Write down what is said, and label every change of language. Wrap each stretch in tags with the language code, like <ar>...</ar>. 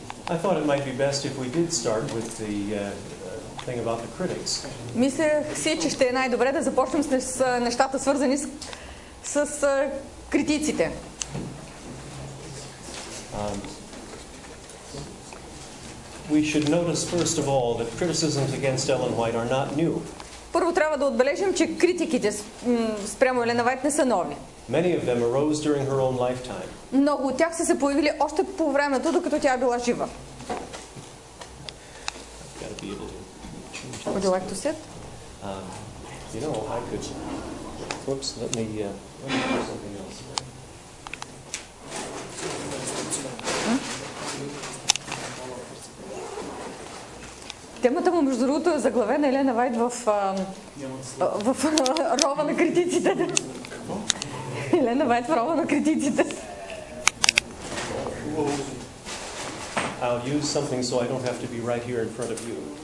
<en>I thought it might be best if we did start with the thing about the critics.</en> <bg>Мислех си, че ще е най-добре да започнем с нещата, свързани с критиците.</bg> <en>We should notice first of all that criticisms against Ellen White are not new.</en> <bg>Първо трябва да отбележим, че критиките спрямо Елена Вайт не са нови.</bg> <en>Many of them arose during her own lifetime.</en> <bg>Много от тях са се появили още по времето, докато тя е била жива.</bg> <en>Would you like to sit? You know, I could... Whoops, let me do something else.</en> <bg>Темата му, между другото, е заглавена Елена Вайт в рова на критиците. Елена Вайт в рова на критиците.</bg> <en>I'll use something so I don't have to be right here in front of you.</en>